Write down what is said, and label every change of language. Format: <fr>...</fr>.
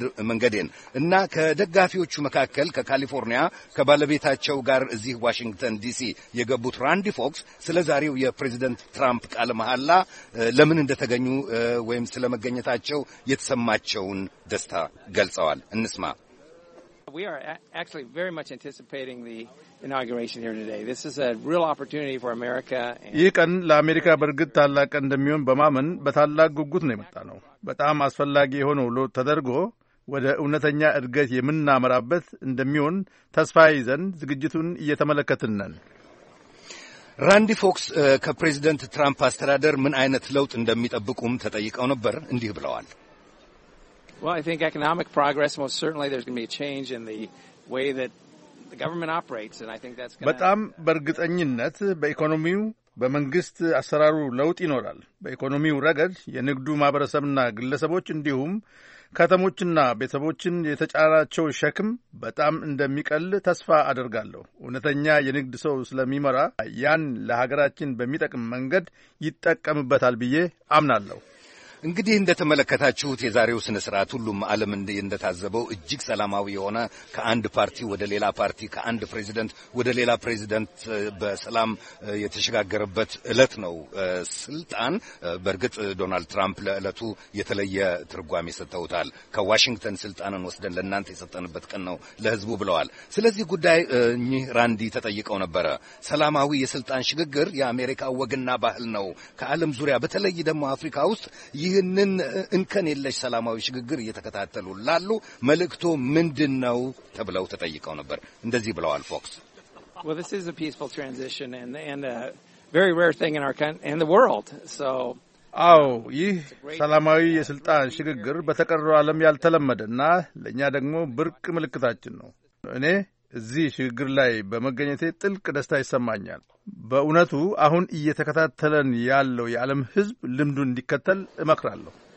<am>መንገዴን እና ከደጋፊዎቹ መካከል ከካሊፎርኒያ ከባለቤታቸው ጋር እዚህ ዋሽንግተን ዲሲ የገቡት ራንዲ ፎክስ ስለ ዛሬው የፕሬዚደንት ትራምፕ ቃለ መሐላ ለምን እንደተገኙ ወይም ስለ መገኘታቸው የተሰማቸውን ደስታ ገልጸዋል። እንስማ።</am> <en>We are actually very much anticipating the inauguration here today. This is a real opportunity for America.</en> <am>ይህ ቀን ለአሜሪካ በርግጥ ታላቅ እንደሚሆን በማመን በታላቅ ጉጉት ነው የመጣነው። በጣም አስፈላጊ የሆነው ለውጥ ተደርጎ ወደ እውነተኛ እድገት የምናመራበት እንደሚሆን ተስፋ ይዘን ዝግጅቱን እየተመለከትን ነን። ራንዲ ፎክስ ከፕሬዚደንት ትራምፕ አስተዳደር ምን አይነት ለውጥ እንደሚጠብቁም ተጠይቀው ነበር። እንዲህ ብለዋል።</am> <en>Well, I think economic progress, most certainly there's going to be a change in the way that the government operates, and I think that's going to</en> <am>በጣም በእርግጠኝነት በኢኮኖሚው በመንግስት አሰራሩ ለውጥ ይኖራል። በኢኮኖሚው ረገድ የንግዱ ማህበረሰብና ግለሰቦች እንዲሁም ከተሞችና ቤተሰቦችን የተጫናቸው ሸክም በጣም እንደሚቀል ተስፋ አደርጋለሁ። እውነተኛ የንግድ ሰው ስለሚመራ ያን ለሀገራችን በሚጠቅም መንገድ ይጠቀምበታል ብዬ አምናለሁ። እንግዲህ እንደተመለከታችሁት የዛሬው ስነ ስርዓት ሁሉም ዓለም እንደተዛበው እጅግ ሰላማዊ ሆነ። ከአንድ ፓርቲ ወደ ሌላ ፓርቲ፣ ከአንድ ፕሬዚደንት ወደ ሌላ ፕሬዚደንት በሰላም የተሽጋገረበት እለት ነው ስልጣን። በርግጥ ዶናልድ ትራምፕ ለእለቱ የተለየ ትርጓሜ ሰጥተውታል። ከዋሽንግተን ስልጣንን ወስደን ለእናንተ የሰጠንበት ቀን ነው ለህዝቡ ብለዋል። ስለዚህ ጉዳይ እኚህ ራንዲ ተጠይቀው ነበረ። ሰላማዊ የስልጣን ሽግግር የአሜሪካ ወግና ባህል ነው። ከዓለም ዙሪያ በተለይ ደግሞ አፍሪካ ውስጥ ይህንን እንከን የለሽ ሰላማዊ ሽግግር እየተከታተሉ ላሉ መልእክቶ ምንድን ነው ተብለው ተጠይቀው ነበር። እንደዚህ ብለዋል ፎክስ።</am> <en>Well, this is a peaceful transition and a very rare thing in our country and the world. So,</en> <am>አዎ ይህ ሰላማዊ የስልጣን ሽግግር በተቀረው ዓለም ያልተለመደና ለኛ ደግሞ ብርቅ ምልክታችን ነው። እኔ እዚህ ሽግግር ላይ በመገኘቴ ጥልቅ ደስታ ይሰማኛል። በእውነቱ አሁን እየተከታተለን ያለው የዓለም ህዝብ ልምዱን እንዲከተል እመክራለሁ።</am>